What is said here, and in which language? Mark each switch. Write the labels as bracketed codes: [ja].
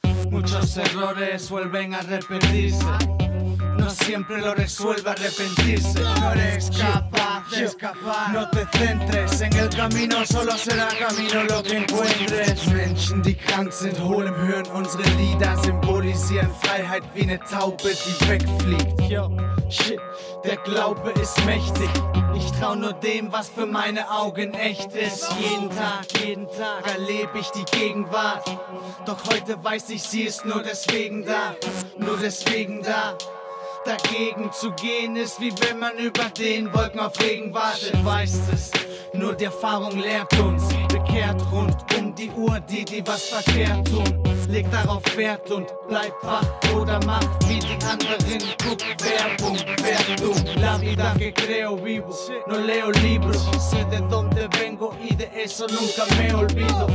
[es] Muchos errores vuelven a repetirse. No siempre lo resuelve arrepentirse. No eres capaz de escapar. No te centres en el camino, solo será camino lo que encuentres. [de] Menschen, die krank sind, hohl im Hirn. Unsere Lieder symbolisieren Freiheit wie eine Taube, die wegfliegt. Der Glaube ist mächtig. Ich trau nur dem, was für meine Augen echt ist. Jeden Tag erlebe ich die Gegenwart. Doch heute weiß ich, sie ist nur deswegen da. Nur deswegen da. Dagegen zu gehen ist, wie wenn man über den Wolken auf Regen wartet. Weißt es, nur die Erfahrung lehrt uns. Bekehrt rund um die Uhr die, die was verkehrt tun. Leg darauf Wert und bleib wach oder mach wie die anderen. Guck Werbung, Wertung. [es] La vida que creo vivo, no leo libros. Sé de dónde vengo y de eso nunca me olvido.